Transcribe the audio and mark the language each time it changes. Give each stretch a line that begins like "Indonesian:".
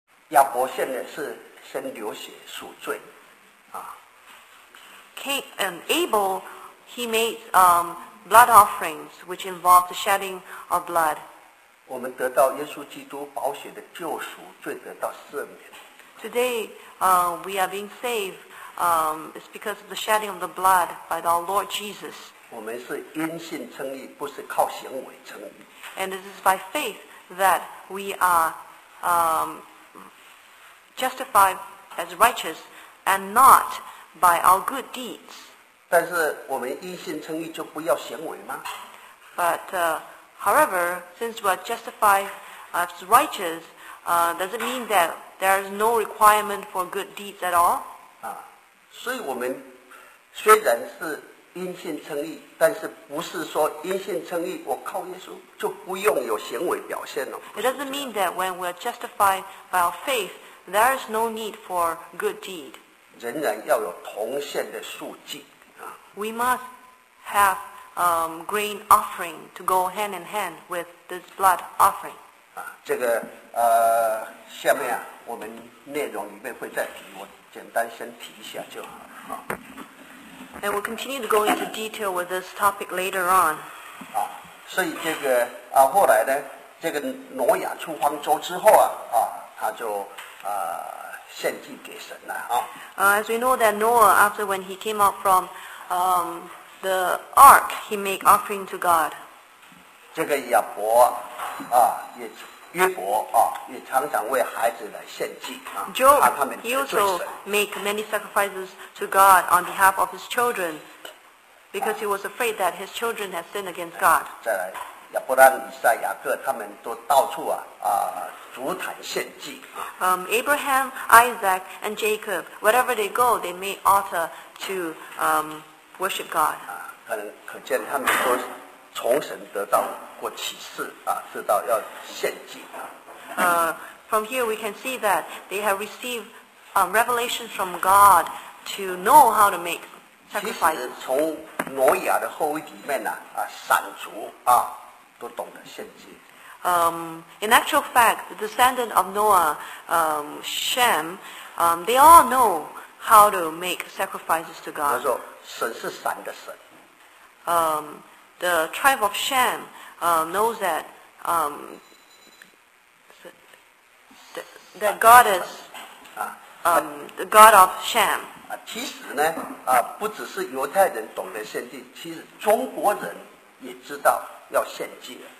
Chinese: 亚伯献的是身流血赎罪啊。
English: Abel he made blood offerings which involved the shedding of blood.
Chinese: 我们得到耶稣基督宝血的救赎，罪得到赦免。
English: Today, we are being saved. It's because of the shedding of the blood by our Lord Jesus.
Chinese: 我们是因信称义，不是靠行为称义。
English: And it is by faith that we are justified as righteous, and not by our good deeds.
Chinese: 但是我们因信称义，就不要行为吗？
English: But however, since we are justified as righteous, does it mean that there is no requirement for good deeds at all?
Chinese: 啊，所以我们虽然是因信称义，但是不是说因信称义，我靠耶稣就不用有行为表现了。
English: It doesn't mean that when we are justified by our faith, there is no need for good deed.
Chinese: 仍然要有铜线的数据。
English: We must have grain offering to go hand in hand with this blood offering.
Chinese: 啊，这个下面啊，我们内容里面会再提，我简单先提一下就好。
English: And we'll continue to go into detail with this topic later on.
Chinese: 啊，所以这个啊，后来呢，这个挪亚出方舟之后啊，啊，他就献祭给神了啊。
English: As we know that Noah, after when he came out from the ark, he made offering to God.
Chinese: 这个亚伯啊，也约伯啊，也常常为孩子来献祭啊。
English: Job,
Chinese: 怕他们得罪神。
English: He also make many sacrifices to God on behalf of his children because he was afraid that his children had sinned against God.
Chinese: 再来，亚伯拉、以撒、雅各，他们都到处啊啊筑坛献祭。
English: Abraham, Isaac, and Jacob, wherever they go, they make altar to worship God.
Chinese: 可能可见他们都从神得到过启示啊，知道要献祭啊。
English: From here we can see that they have received revelation from God to know how to make sacrifice.
Chinese: 其实从挪亚的后裔里面呢、闪族啊，都懂得献祭。
English: In actual fact, the descendant of Noah, Shem, they all know how to make sacrifices to God.
Chinese: 他说，神是闪的神。
English: The tribe of Shem knows that that God is the God of Shem.
Chinese: 其实呢，不只是犹太人懂得献祭，其实中国人也知道要献祭。